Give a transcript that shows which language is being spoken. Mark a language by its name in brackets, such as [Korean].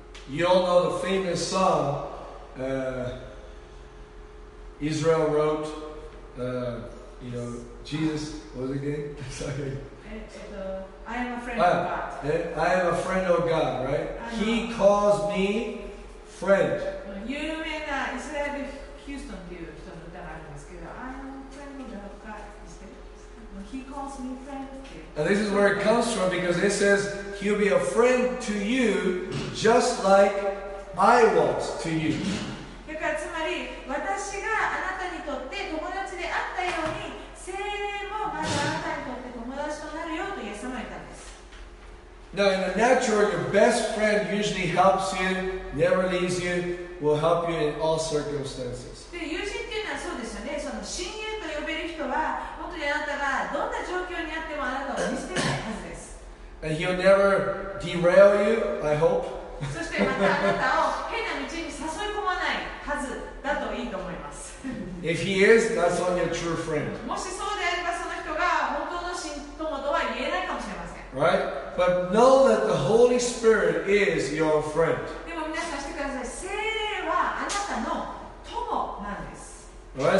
[English] You all know the famous song. Israel wrote, you know, Jesus, what was it again? Sorry. I am a friend of God. I am a friend of God, right? He calls me friend. [Japanese] 有名なイスラエル・ヒューストンという人の歌があるんですけど、 [English] I am a friend of God. He calls me friend. And this is where it comes from because it says, He'll be a friend to you just like I was to you. [Japanese] つまり私があなたにとって友達であったように、聖霊もまたあなたにとって友達となるよとイエス様は言ったんです。 [English] Now in the natural, your best friend usually helps you, never leaves you, will help you in all circumstances. [Japanese] で、友人っていうのはそうですよね。その親友と呼べる人は本当にあなたがどんな状況にあってもあなたを見捨てないはずです。 [English] And he'll never derail you, I hope. [Japanese] そしてまたあなたを変な道に誘い込まない [English] If he is, that's only your true friend. Right? But know that the Holy Spirit is your friend. Right?